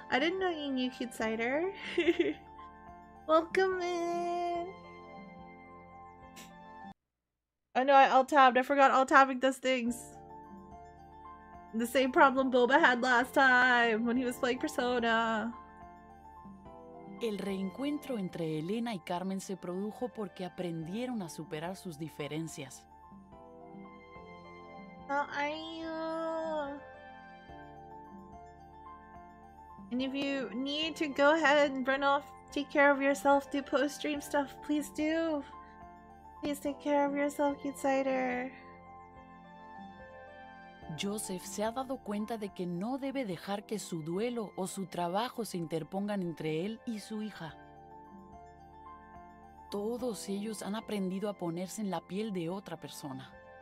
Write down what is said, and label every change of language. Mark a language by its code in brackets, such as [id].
[en] I didn't know you knew Cute Cider. Welcome in! Oh no, I alt-tabbed. I forgot alt-tabbing those things. The same problem Boba had last time when he was playing Persona. [es] El reencuentro entre Elena y Carmen se produjo porque aprendieron a superar sus diferencias. [en] How are you? And if you need to go ahead and run off, take care of yourself, do post-stream stuff, please do. Please take care of yourself, Cute Cider. [es] Joseph se ha dado cuenta de que no debe dejar que su duelo o su trabajo se interpongan entre él y su hija. Todos ellos han aprendido a ponerse en la piel de otra persona.